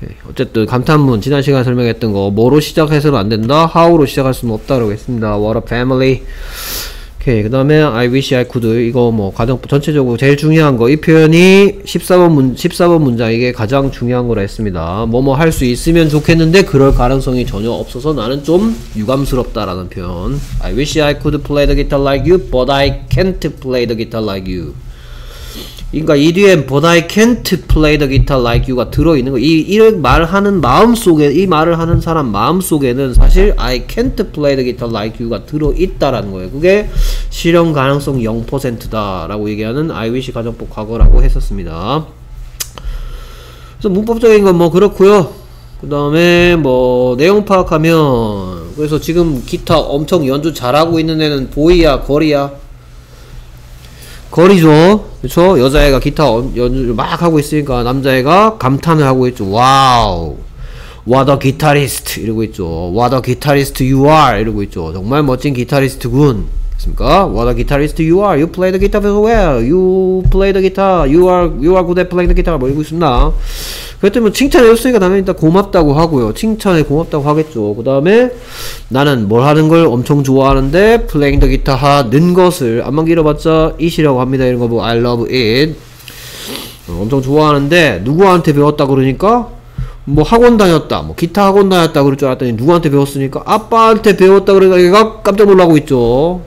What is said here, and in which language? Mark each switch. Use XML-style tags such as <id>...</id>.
<ko>어쨌든 감탄문 지난 시간에 설명했던 거 뭐로 시작해서는 안 된다? How로 시작할 수는 없다라고 했습니다.</ko> <en>What a family. OK.</en> <ko>오케이. 그 다음에</ko> <en>I wish I could.</en> <ko>이거 뭐 가장 전체적으로 제일 중요한 거, 이 표현이 14번 문장 이게 가장 중요한 거라 했습니다. 뭐뭐 할 수 있으면 좋겠는데 그럴 가능성이 전혀 없어서 나는 좀 유감스럽다 라는 표현.</ko> <en>I wish I could play the guitar like you but I can't play the guitar like you.</en> <ko>그러니까 이 뒤에</ko> <en>but I can't play the guitar like you</en> <ko>가 들어있는 거, 이런 말하는 마음속에, 이 말을 하는 사람 마음속에는 사실</ko> <en>I can't play the guitar like you</en> <ko>가 들어있다라는 거예요. 그게 실현 가능성 0%다 라고 얘기하는 I wish 가정법 과거라고 했었습니다. 그래서 문법적인 건 뭐 그렇고요. 그 다음에 뭐 내용 파악하면, 그래서 지금 기타 엄청 연주 잘하고 있는 애는 보이야 거리야? 거리죠. 그쵸? 여자애가 기타 연주를 막 하고 있으니까 남자애가 감탄을 하고 있죠. 와우,</ko> <en>What a guitarist</en> <ko>이러고 있죠.</ko> <en>What a guitarist you are</en> <ko>이러고 있죠. 정말 멋진 기타리스트군. 그렇습니까?</ko> <en>What a guitarist you are. You play the guitar very well. You play the guitar. You are good at playing the guitar.</en> <ko>뭐 이러고 있습니다. 그랬더니 뭐 칭찬을 했으니까 나는 일단 고맙다고 하고요. 칭찬에 고맙다고 하겠죠. 그 다음에 나는 뭘 하는 걸 엄청 좋아하는데 플레잉 더 기타 하는 것을 안만 길어봤자 it이라고 합니다. 이런 거 보고</ko> <en>I love it.</en> <ko>엄청 좋아하는데 누구한테 배웠다 그러니까 뭐 학원 다녔다, 뭐 기타 학원 다녔다 그럴 줄 알았더니 누구한테 배웠으니까 아빠한테 배웠다 그러니까 얘가 깜짝 놀라고 있죠.</ko>